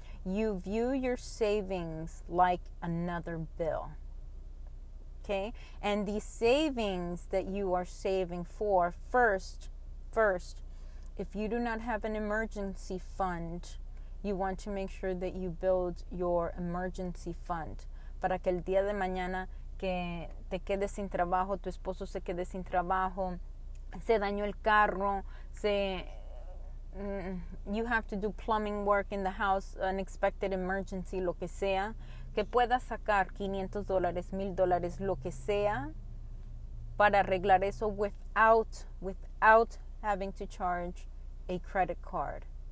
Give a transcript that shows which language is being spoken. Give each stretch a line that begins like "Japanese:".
English: You view your savings like another bill, okay? And the savings that you are saving for, first, if you do not have an emergency fund, you want to make sure that you build your emergency fund.
Spanish: Para que el día de mañana que te quedes sin trabajo, tu esposo se quede sin trabajo, se dañó el carro, se...
English: You have to do plumbing work in the house, unexpected emergency,
Spanish: lo que sea. Que puedas sacar $500, $1,000, lo que sea, para arreglar eso
English: without having to charge a credit card.